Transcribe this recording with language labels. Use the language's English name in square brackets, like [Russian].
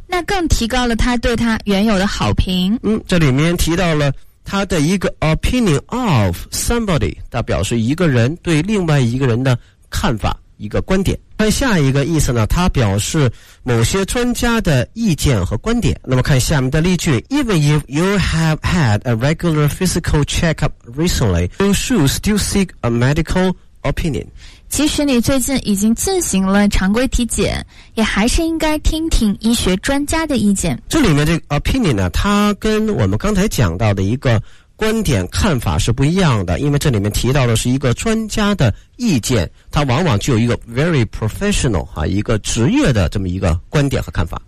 [Chinese] 那更提高了他对他原有的好评。这里面提到了他的一个 [English] opinion of somebody， [Chinese] 它表示一个人对另外一个人的看法、一个观点。看下一个意思呢，它表示某些专家的意见和观点。那么看下面的例句 [English] ，Even if you have had a regular physical checkup recently, you should still seek a medical opinion。 [Chinese] 即使你最近已经进行了常规体检，也还是应该听听医学专家的意见。这里面这个 opinion 呢，它跟我们刚才讲到的一个观点看法是不一样的，因为这里面提到的是一个专家的意见，它往往具有一个 [English] very professional [Chinese] 啊，一个职业的这么一个观点和看法。